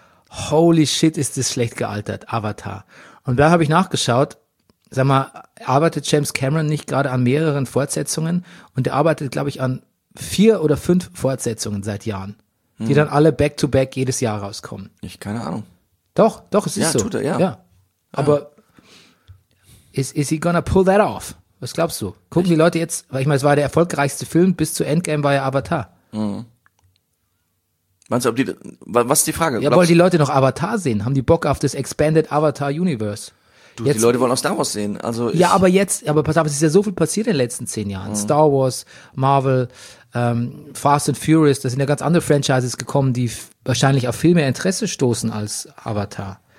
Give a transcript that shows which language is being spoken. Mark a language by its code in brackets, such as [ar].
[en] Holy shit, [de] ist es schlecht gealtert, Avatar. Und da habe ich nachgeschaut, sag mal, arbeitet James Cameron nicht gerade an mehreren Fortsetzungen? Und er arbeitet, glaube ich, an 4 oder 5 Fortsetzungen seit Jahren, die dann alle back-to-back jedes Jahr rauskommen. Ich keine Ahnung. Doch, es ist so. Ja, tut er, ja. Ja. Aber [en] is he gonna pull that off? [de] Was glaubst du? Gucken die Leute jetzt, weil ich meine, es war der erfolgreichste Film, bis zu Endgame war ja Avatar. Meinst du, ob die, was ist die Frage? Ja, wollen die Leute noch Avatar sehen? Haben die Bock auf das Expanded Avatar Universe? Du, jetzt, die Leute wollen auch Star Wars sehen. Also ich, ja, aber jetzt, aber pass auf, es ist ja so viel passiert in den letzten 10 Jahren. Mhm. Star Wars, Marvel, Fast and Furious, da sind ja ganz andere Franchises gekommen, die wahrscheinlich auf viel mehr Interesse stoßen als Avatar.